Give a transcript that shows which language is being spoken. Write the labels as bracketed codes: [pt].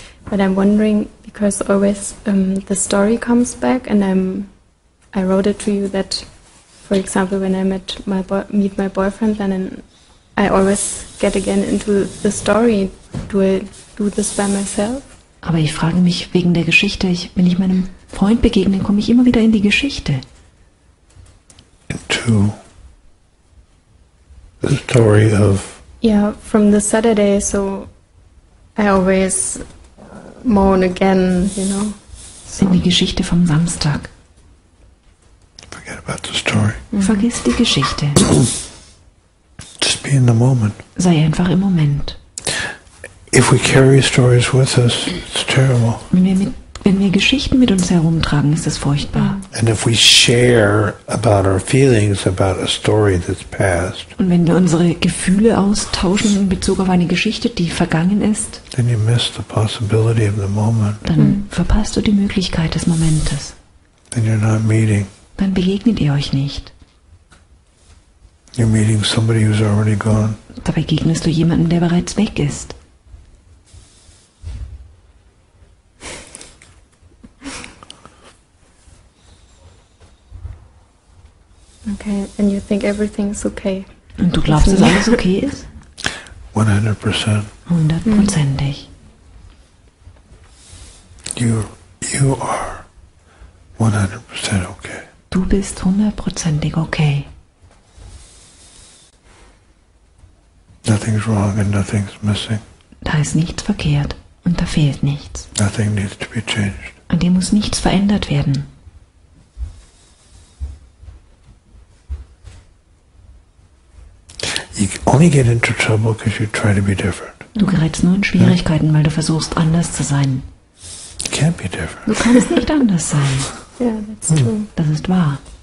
[en] But I'm wondering, because always the story comes back, and I wrote it to you that, for example, when I meet my boyfriend, then I always get again into the story. Do I do this by myself? [de] Aber ich frage mich wegen der Geschichte. Wenn ich meinem Freund begegne, komme ich immer wieder in die Geschichte. [en] Into the story of. Yeah, from the Saturday. So I always. Moan again, you know. [de] In die Geschichte vom Samstag. [en] Forget about the story. [de] Vergiss die Geschichte. [en] Just be in the moment. [de] Sei einfach im Moment. [en] If we carry stories with us, it's terrible. [de] Wenn wir Geschichten mit uns herumtragen, ist es furchtbar. [en] And if we share about our feelings about a story that's passed. [de] Und wenn wir unsere Gefühle austauschen in Bezug auf eine Geschichte, die vergangen ist. [en] Then you miss the possibility of the moment. [de] Dann verpasst du die Möglichkeit des Momentes. [en] Then you're not meeting. [de] Dann begegnet ihr euch nicht. [en] You're meeting somebody who's already gone. [de] Da begegnest du jemanden, der bereits weg ist. [en] Okay, and you think everything is okay. [de] Und du glaubst, dass alles okay ist? [en] 100%. [de] 100%ig. [en] You are 100% okay. [de] Du bist 100%ig okay. [en] Nothing's wrong and nothing's missing. [de] Da ist nichts verkehrt und da fehlt nichts. [en] Nothing needs to be changed. [de] An dir muss nichts verändert werden. [en] You only get into trouble because you try to be different. [de] Du gerätst nur in Schwierigkeiten, weil du versuchst, anders zu sein. [en] You can't be different. [de] Du kannst nicht anders sein. [en] Yeah, that's true. [de] Das ist wahr.